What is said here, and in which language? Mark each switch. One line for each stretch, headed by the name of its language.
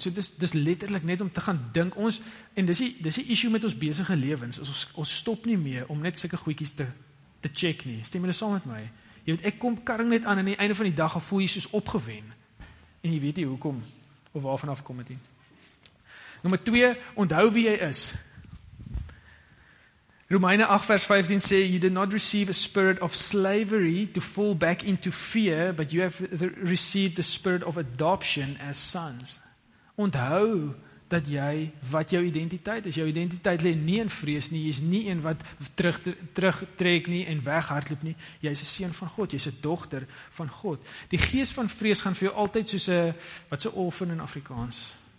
Afrikaans: So dis letterlik net om te gaan dink ons, en dis die issue met ons besige lewens, is ons stop nie meer om net sulke goedjies te check nie. Stem julle saam met my? Jy weet, ek kom karring net aan, en die einde van die dag al voel jy soos opgewen. En jy weet nie hoekom, of waarvan af kom het nie. Nummer 2, onthou wie jy is. Romeine 8 vers 15 sê,
English: you did not receive a spirit of slavery to fall back into fear, but you have received the spirit of adoption as sons.
Afrikaans: Onthou dat jy, wat jou identiteit is, jou identiteit lê nie in vrees nie, jy is nie een wat terugtrek nie en weghardloop nie, jy is 'n seun van God, jy is 'n dogter van God. Die gees van vrees gaan vir jou altyd soos 'n, wat is 'n orphan in Afrikaans?